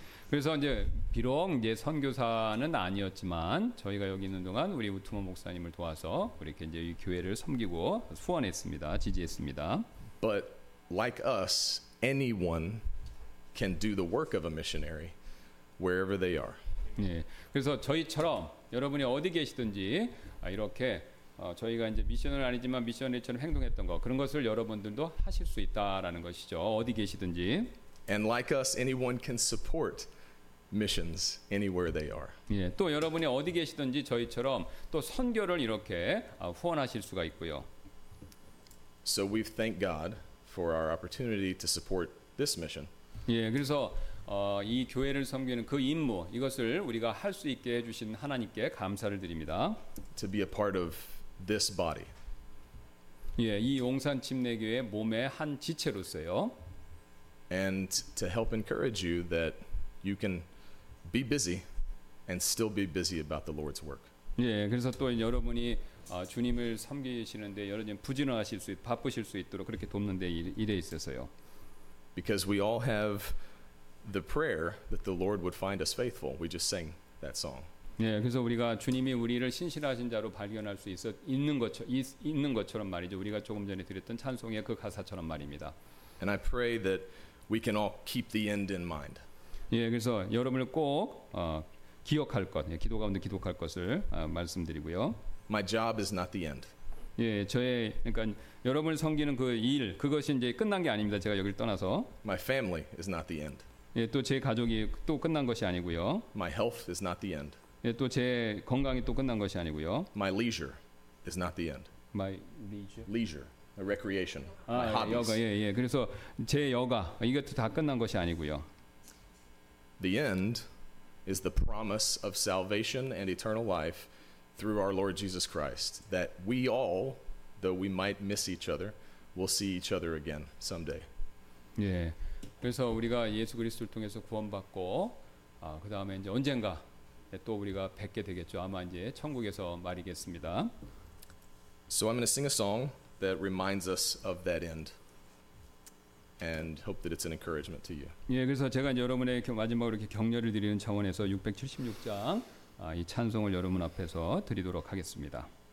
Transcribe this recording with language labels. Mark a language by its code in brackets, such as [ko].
[ko] 그래서 이제 비록 이제 선교사는 아니었지만 저희가 여기 있는 동안 우리 우투모 목사님을 도와서 이렇게 이제 이 교회를 섬기고 후원했습니다. 지지했습니다. [en] But like us, anyone can do the work of a missionary wherever they are. [ko] 예. 그래서 저희처럼 여러분이 어디 계시든지 이렇게 저희가 이제 미션은 아니지만 미션처럼 행동했던 거 그런 것을 여러분들도 하실 수 있다라는 것이죠. 어디 계시든지. [en] And like us, anyone can support missions anywhere they are. [ko] 예, 또 여러분이 어디 계시든지 저희처럼 또 선교를 이렇게 후원하실 수가 있고요. [en] So we thank God for our opportunity to support this mission. [ko] 예, 그래서 이 교회를 섬기는 그 임무 이것을 우리가 할 수 있게 해주신 하나님께 감사를 드립니다. [en] To be a part of this body. [ko] 예, 이 용산 침례교회 몸의 한 지체로서요. [en] And to help encourage you that you can be busy and still be busy about the Lord's work. [ko] 예, 그래서 또 여러분이 주님을 섬기시는데 여러분 부지런하실 수 바쁘실 수 있도록 그렇게 돕는 데 일에 있어서요. [en] Because we all have the prayer that the Lord would find us faithful. We just sang that song. [ko] 예, 그래서 우리가 주님이 우리를 신실하신 자로 발견할 수 있는 것처럼 말이죠. 우리가 조금 전에 드렸던 찬송의 그 가사처럼 말입니다. [en] And I pray that we can all keep the end in mind. [ko] 예, 그래서 여러분을 꼭 기억할 것, 예, 기도 가운데 기도할 것을 말씀드리고요. [en] My job is not the end. [ko] 예, 저의 그러니까 여러분을 섬기는 그 일 그것이 이제 끝난 게 아닙니다. 제가 여기를 떠나서. [en] My family is not the end. [ko] 예, 또 제 가족이 또 끝난 것이 아니고요. [en] My health is not the end. [ko] 예, 또 제 건강이 또 끝난 것이 아니고요. [en] My leisure is not the end. My leisure. Leisure. A recreation, a hobby. [ko] 여가, 예, 예. 그래서 제 여가 이것도 다 끝난 것이 아니고요. [en] The end is the promise of salvation and eternal life through our Lord Jesus Christ. That we all, though we might miss each other, will see each other again someday. [ko] 예. 그래서 우리가 예수 그리스도를 통해서 구원받고, 그 다음에 이제 언젠가 또 우리가 뵙게 되겠죠. 아마 이제 천국에서 말이겠습니다. [en] So I'm going to sing a song. That reminds us of that end, and hope that it's an encouragement to you. [ko] 예, 그래서 제가 여러분에게 마지막으로 이렇게 격려를 드리는 차원에서 676장 이 찬송을 여러분 앞에서 드리도록 하겠습니다.